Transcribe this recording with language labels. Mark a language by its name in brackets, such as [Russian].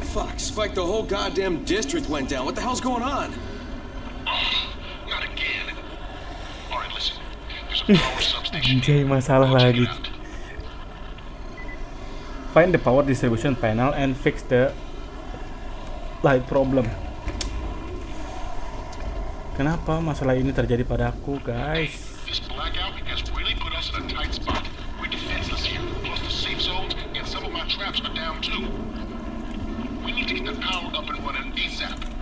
[English] Fuck, Spike, the whole goddamn district went down. What the hell's going on? Not again. All right, listen. [Indonesian] Jadi masalah lagi. [English] Find the power distribution panel and fix the light problem. [Indonesian] Kenapa masalah ini terjadi padaku, guys? [English] This blackout has really put us in a tight spot. We're defenseless here. Plus the safe zones and some of my traps are down too. We need to get the power up and running ASAP.